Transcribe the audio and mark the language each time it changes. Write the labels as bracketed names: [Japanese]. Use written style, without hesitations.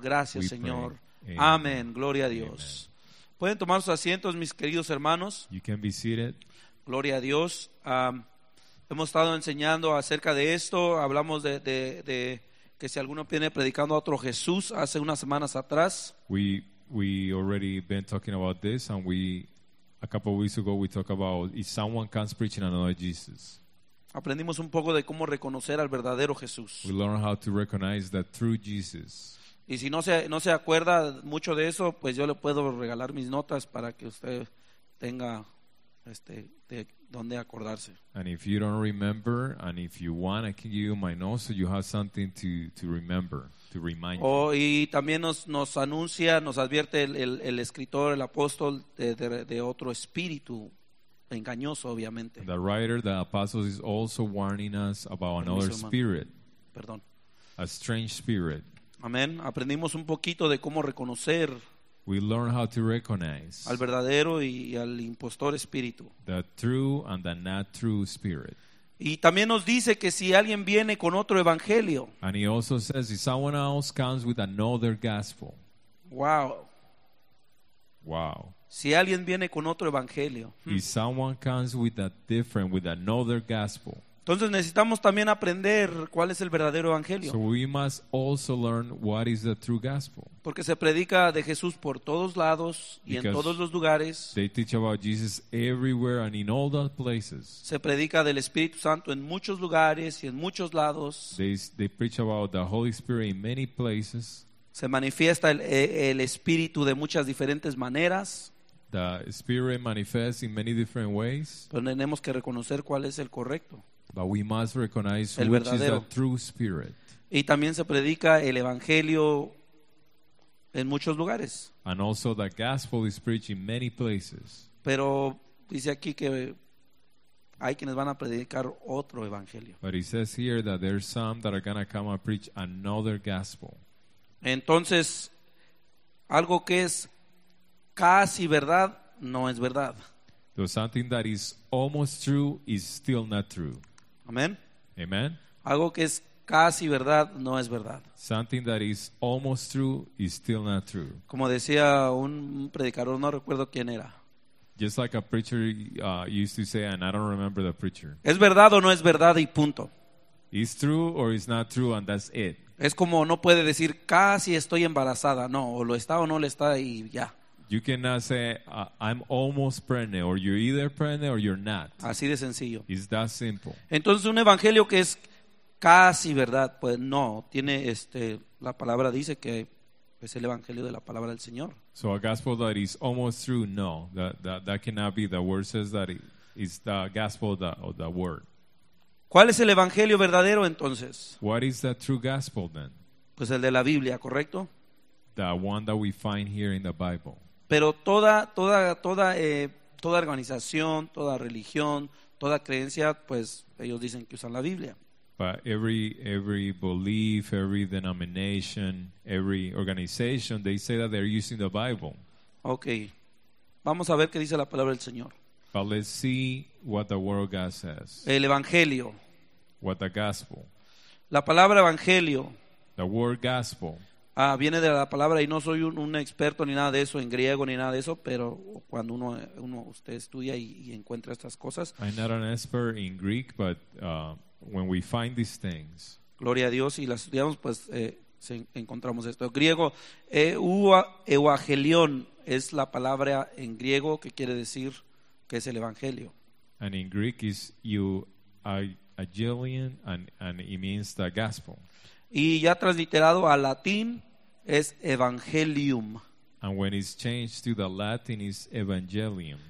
[Spanish] Gracias, Señor. Amén. Gloria a Dios. Pueden tomar sus asientos, mis queridos hermanos. Gloria a Dios. Hemos estado enseñando acerca de esto. Hablamos de que si alguno viene predicando a otro Jesús, hace unas semanas atrás. [English] We already been talking about this, and a couple of weeks ago we talked about if someone comes preaching another Jesus. [Spanish] Aprendimos un poco de cómo reconocer al verdadero Jesús. [English] We learned how to recognize the true Jesus. [Spanish] Y si no se acuerda mucho de eso, pues yo le puedo regalar mis notas para que usted tenga de dónde acordarse. [English] And if you don't remember, and if you want, I can give you my notes so you have something to remember. [Spanish] Y también nos anuncia, nos advierte el escritor, el apóstol de otro espíritu engañoso, obviamente. [English] The writer, the apostle, is also warning us about another spirit. [Spanish] Perdón. [English] A strange spirit. [Spanish] Amén. Aprendimos un poquito de cómo reconocer. [English] We learn how to recognize. [Spanish] Al verdadero y al impostor espíritu. [English] The true and the not true spirit. [Spanish] Y también nos dice que si alguien viene con otro evangelio. [English] And he also says if someone else comes with another gospel. [Spanish] Wow. Si alguien viene con otro evangelio. [English] If someone comes with another gospel. [Spanish] Entonces necesitamos también aprender cuál es el verdadero evangelio. [English] So we must also learn what is the true gospel. [Spanish] Porque se predica de Jesús por todos lados y [English] Because [Spanish] en todos los lugares. [English] They teach about Jesus everywhere and in all the places. [Spanish] Se predica del Espíritu Santo en muchos lugares y en muchos lados. [English] They preach about the Holy Spirit in many places. [Spanish] Se manifiesta el Espíritu de muchas diferentes maneras. [English] The Spirit manifests in many different ways. [Spanish] Pero tenemos que reconocer cuál es el correcto. [English] But we must recognize which is the true spirit. [Spanish] Y también se predica el evangelio en muchos lugares. [English] And also the gospel is preached in many places. [Spanish] Pero dice aquí que hay quienes van a predicar otro evangelio. [English] But it says here that there are some that are going to come and preach another gospel. [Spanish] Entonces, algo que es casi verdad no es verdad. [English] So something that is almost true is still not true. Amen. Amen. [Spanish] Algo que es casi verdad no es verdad. [English] Something that is almost true is still not true. [Spanish] Como decía un predicador, no recuerdo quién era. [English] Just like a preacher used to say, and I don't remember the preacher. [Spanish] Es verdad o no es verdad y punto. [English] It's true or it's not true, and that's it. [Spanish] Es como no puede decir casi estoy embarazada, no, o lo está o no lo está y ya. [English] You cannot say I'm almost pregnant, or you're either pregnant or you're not. [Spanish] Así de sencillo. [English] It's that simple. [Spanish] Entonces un evangelio que es casi verdad, pues no, tiene la palabra dice que es el evangelio de la palabra del Señor. [English] So a gospel that is almost true, no, that cannot be. The word says that it's the gospel of the word. [Spanish] ¿Cuál es el evangelio verdadero entonces? [English] What is the true gospel then? [Spanish] Pues el de la Biblia, ¿correcto? [English] The one that we find here in the Bible. [Spanish] Pero toda organización, toda religión, toda creencia, pues ellos dicen que usan la Biblia. [English] But every belief, every denomination, every organization, they say that they're using the Bible. Okay. [Spanish] Vamos a ver qué dice la palabra del Señor. [English] But let's see what the word of God says. [Spanish] El evangelio. [English] What the gospel. [Spanish] La palabra evangelio. [English] The word gospel. [Spanish] Viene de la palabra, y no soy un experto ni nada de eso en griego ni nada de eso, pero cuando usted estudia y encuentra estas cosas. [English] I'm not an expert in Greek, but when we find these things. [Spanish] Gloria a Dios, y las estudiamos, pues encontramos esto. Griego, euangelion es la palabra en griego que quiere decir que es el evangelio. [English] And in Greek is euangelion, and it means the gospel. [Spanish] Y ya transliterado a latín es evangelium. [English] And when it's changed to the Latin is evangelium.